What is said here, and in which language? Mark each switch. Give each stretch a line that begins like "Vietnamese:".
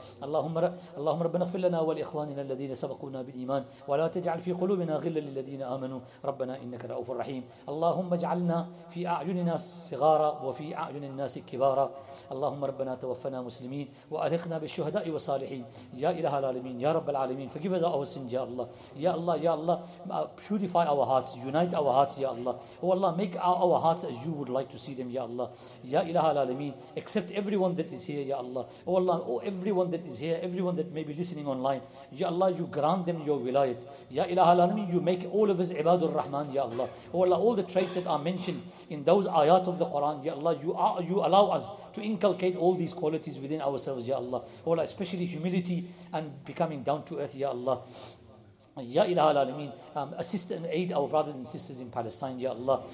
Arabic: اللهم ربنا اغفر لنا ولإخواننا الذين سبقونا بالإيمان ولا تجعل في قلوبنا غلا للذين آمنوا ربنا إنك رؤوف رحيم. اللهم اجعلنا في أعيننا صغارا وفي أعين الناس كبارا. اللهم ربنا توفنا مسلمين وألحقنا بالشهداء والصالحين. يا إله العالمين يا رب العالمين
English: forgive us our sins
Arabic: يا الله يا الله يا الله.
English: Purify our hearts, unite our hearts
Arabic: يا الله.
English: Oh Allah, make our hearts as you would like to see them يا الله.
Arabic: يا إله العالمين
English: accept everyone that is here
Arabic: يا الله.
English: Oh Allah, oh everyone that is here, everyone that may be listening online, يا الله you grant them your ولايت.
Arabic: يا إله العالمين
English: you make all of us
Arabic: عباد الرحمن يا الله.
English: Oh Allah, all the traits that are mentioned in those ayat of the Quran, ya Allah, you allow us to inculcate all these qualities within ourselves, ya Allah. Oh Allah, especially humility and becoming down to earth, ya Allah. Ya ilaha al-alameen, assist and aid our brothers and sisters in Palestine, ya Allah.